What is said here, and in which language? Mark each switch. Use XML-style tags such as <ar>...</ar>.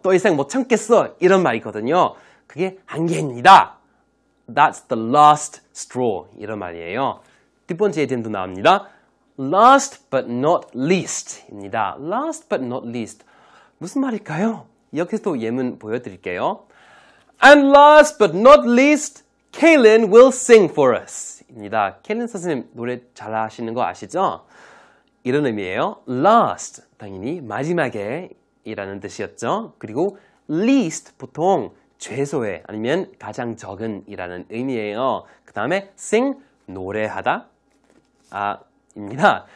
<ko>또 이상 못 참겠어. 이런 말이거든요. 그게 한계입니다.</ko> <en>That's the last straw.</en> <ko>이런 말이에요. 두 번째 예문도 나옵니다.</ko> <en>Last but not least</en> <ko>입니다.</ko> <en>Last but not least.</en> <ko>무슨 말일까요? 여기서도 예문 보여드릴게요.</ko> <en>And last but not least, Kaylin will sing for us.</en> <ko>입니다. 케일린 선생님 노래 잘하시는 거 아시죠? 이런 의미예요. Last, 당연히 마지막에 이라는 뜻이었죠. 그리고 least, 보통 최소의 아니면 가장 적은 이라는 의미예요. 그 다음에 sing, 노래하다, 아, 입니다.</ko>